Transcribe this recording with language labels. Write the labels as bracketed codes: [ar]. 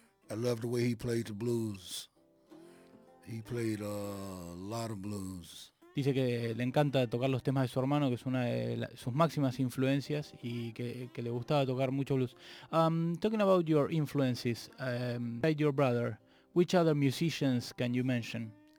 [en] I loved the way he played the blues. He played a lot of blues. [es] Dice que le encanta tocar los temas de su hermano, que es una de sus máximas influencias, y que le gustaba tocar mucho blues. [en] Talking about your influences, besides your brother, which other musicians can you mention?